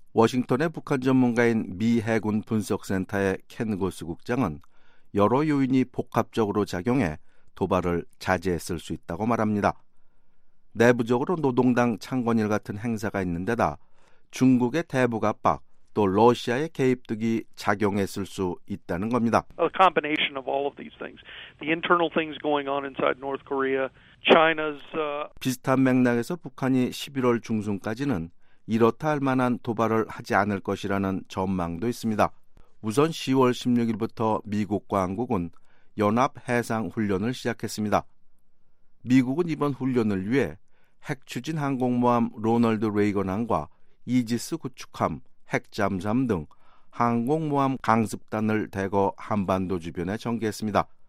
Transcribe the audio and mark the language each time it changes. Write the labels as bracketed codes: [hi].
[ko] 워싱턴의 북한 전문가인 미 해군 분석센터의 켄 고스 국장은 여러 요인이 복합적으로 작용해 도발을 자제했을 수 있다고 말합니다. 내부적으로 노동당 창건일 같은 행사가 있는 데다 중국의 대북 압박 또 러시아의 개입 등이 작용했을 수 있다는 겁니다. [en] A combination of all of these things. The internal things going on inside North Korea, China's [ko] 비슷한 맥락에서 북한이 11월 중순까지는 이렇다 할 만한 도발을 하지 않을 것이라는 전망도 있습니다. 우선 10월 16일부터 미국과 한국은 연합해상훈련을 시작했습니다. 미국은 이번 훈련을 위해 핵추진 항공모함 로널드 레이건함과 이지스 구축함, 핵잠수함 등 항공모함 강습단을 대거 한반도 주변에 전개했습니다.